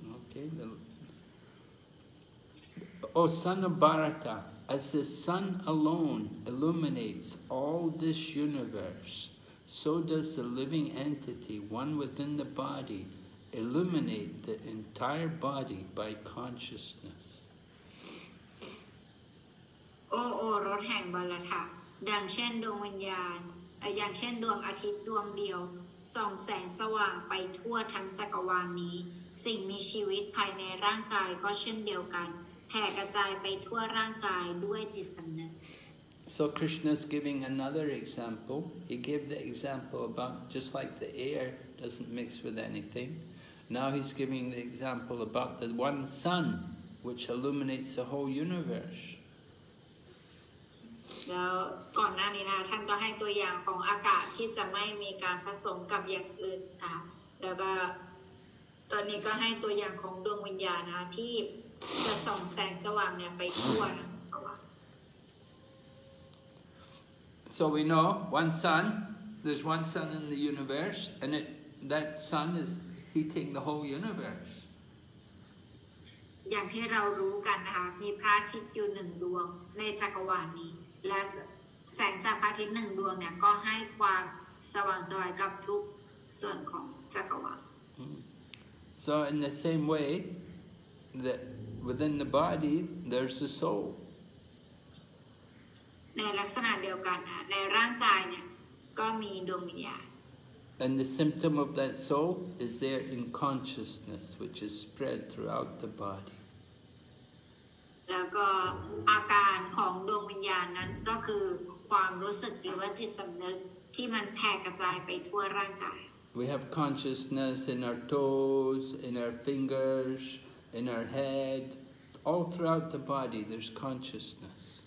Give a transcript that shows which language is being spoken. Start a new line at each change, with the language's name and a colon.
English: Okay, the O son of Bharata, as the sun alone illuminates all this universe, so does the living entity, one within the body, illuminate the entire body by consciousness.
Thai: โอรสแห่งบาระทะดังเช่นดวงวิญญาณอย่างเช่นดวงอาทิตย์ดวงเดียวส่องแสงสว่างไปทั่วทั้งจักรวาลนี้สิ่งมีชีวิตภายในร่างกายก็เช่นเดียวกันแผ่กระจายไปทั่วร่างกายด้วยจิตสำนึก
English: So Krishna's giving another example. He gave the example about just like the air doesn't mix with anything. Now he's giving the example about the one sun which illuminates the whole universe.
Thai: แล้วก่อนหน้านี้นะท่านก็ให้ตัวอย่างของอากาศที่จะไม่มีการผสมกับอย่างอื่นค่ะแล้วก็ตอนนี้ก็ให้ตัวอย่างของดวงวิญญาณนะที่จะส่องแสงสว่างเนี่ยไปทั่ว
English: So we know one sun, there's one sun in the universe, and that sun is heating the whole universe.
Thai: อย่างที่เรารู้กันนะคะมีพระอาทิตย์อยู่หนึ่งดวงในจักรวาลนี้และแสงจากพระอาทิตย์หนึ่งดวงเนี่ยก็ให้ความสว่างสวยกับทุกส่วนของจักรวาล
English: So in the same way, that within the body, there's the soul.
Thai: ในลักษณะเดียวกันนะในร่างกายเนี่ยก็มีดวงวิญญาณ
English: And the symptom of that soul is there in consciousness which is spread throughout the body
Thai: แล้วก็อาการของดวงวิญญาณนั้นก็คือความรู้สึกหรือว่าจิตสำนึกที่มันแผ่กระจายไปทั่วร่างกาย
English: We have consciousness in our toes in our fingers in our head all throughout the body there's consciousness